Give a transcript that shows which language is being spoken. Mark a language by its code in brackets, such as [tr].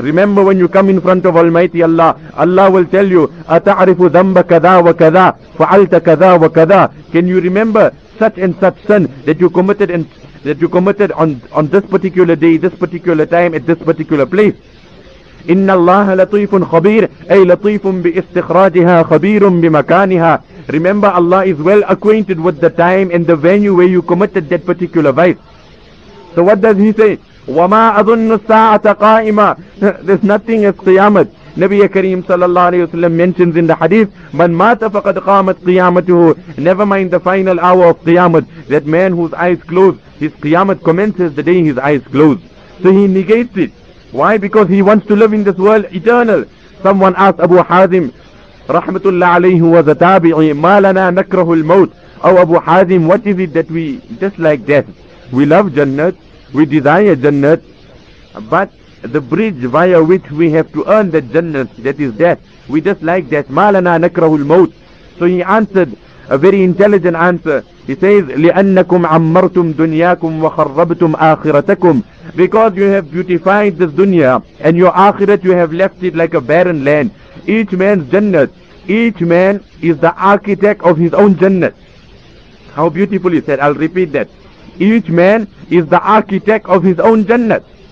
[en] Remember, when you come in front of Almighty Allah, Allah will tell you, [ar] أَتَعْرِفُ ذَنْبَ كَذَا وَكَذَا فَعَلْتَ كَذَا وَكَذَا. [en] Can you remember such and such sin that you committed and that you committed on this particular day, this particular time, at this particular place? [ar] إن الله لطيف خبير أي لطيف باستخراجها خبير بمكانها. [en] Remember, Allah is well acquainted with the time and the venue where you committed that particular vice. So what does he say? [ar] وَمَا أَظُنُّ السَّاعَةَ قَائِمًا. [en] There's nothing as Qiyamah. Nabi Kareem sallallahu alayhi wa sallam mentions in the hadith, [ar] مَنْ مَاتَ فَقَدْ قَامَتْ قِيَامَتُهُ. [en] Never mind the final hour of Qiyamah. That man whose eyes close, his Qiyamah commences the day his eyes close. So he negates it. Why? Because he wants to live in this world eternal. Someone asked Abu Hazim, [ar] رَحْمَتُ اللَّهِ [en] was a tabi'i, [ar] مَا لَنَا نَكْرَهُ الْمَوْتِ. [en] Oh Abu Hazim, what is it that we dislike death? We love Jannat, we desire Jannat, but the bridge via which we have to earn that Jannat, that is death, we dislike death. [ar] مَا لَنَا نَكْرَهُ الْمَوْتِ. [en] So he answered a very intelligent answer. He says, [ar] لِأَنَّكُمْ عَمَّرْتُمْ دُنْيَاكُمْ وَخَرَّبْتُمْ آخِرَتَكُمْ. [en] Because you have beautified this dunya and your akhirat, you have left it like a barren land. Each man's jannat, each man is the architect of his own jannat. How beautifully said, I'll repeat that. Each man is the architect of his own jannat.